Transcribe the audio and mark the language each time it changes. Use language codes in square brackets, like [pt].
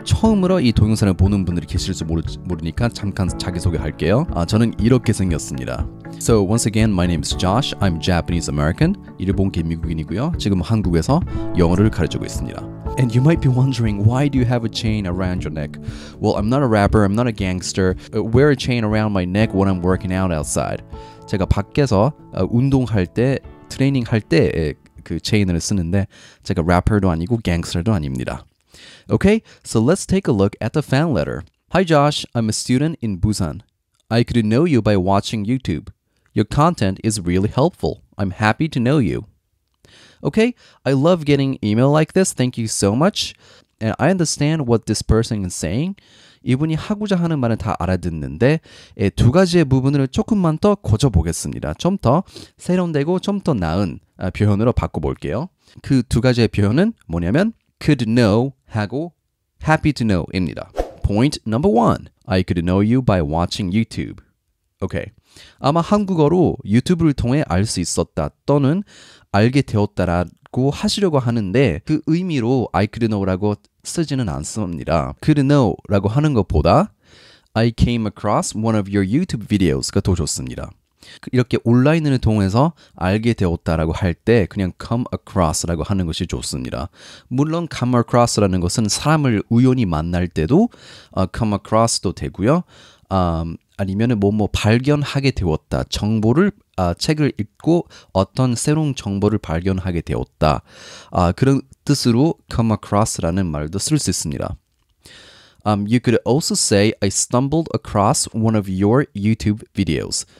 [ko] 처음으로 이 동영상을 보는 분들이 계실지 모르니까 잠깐 자기소개할게요. 저는 이렇게 생겼습니다. [en] So once again, my name is Josh. I'm Japanese American. [ko] 일본계 미국인이고요. 지금 한국에서 영어를 가르치고 있습니다. [en] And you might be wondering, why do you have a chain around your neck? Well, I'm not a rapper, I'm not a gangster. I wear a chain around my neck when I'm working out outside. [ko] 제가 밖에서 운동할 때, 트레이닝할 때 그 체인을 쓰는데 제가 래퍼도 아니고 갱스터도 아닙니다. [en] Okay, so let's take a look at the fan letter. Hi Josh, I'm a student in Busan. I could know you by watching YouTube. Your content is really helpful. I'm happy to know you. Okay, I love getting email like this. Thank you so much. And I understand what this person is saying. [ko] 이분이 하고자 하는 말은 다 알아듣는데 두 가지의 부분을 조금만 더 고쳐보겠습니다. 좀 더 세련되고 좀 더 나은 표현으로 바꿔볼게요. 그 두 가지의 표현은 뭐냐면 could know 하고 happy to know입니다. [en] Point number one. I could know you by watching YouTube. Okay. [ko] 아마 한국어로 유튜브를 통해 알 수 있었다 또는 알게 되었다라고 하시려고 하는데 그 의미로 [en] I could know [ko] 라고 쓰지는 않습니다. Could know라고 하는 것보다 [en] I came across one of your YouTube videos가 [ko] 더 좋습니다. 이렇게 온라인을 통해서 알게 되었다라고 할 때 그냥 come across라고 하는 것이 좋습니다. 물론 come across라는 것은 사람을 우연히 만날 때도 come across도 되고요. 아니면 뭐 발견하게 되었다. 정보를 책을 읽고 어떤 새로운 정보를 발견하게 되었다. 그런 뜻으로 come across라는 말도 쓸 수 있습니다. [en] You could also say I stumbled across one of your YouTube videos.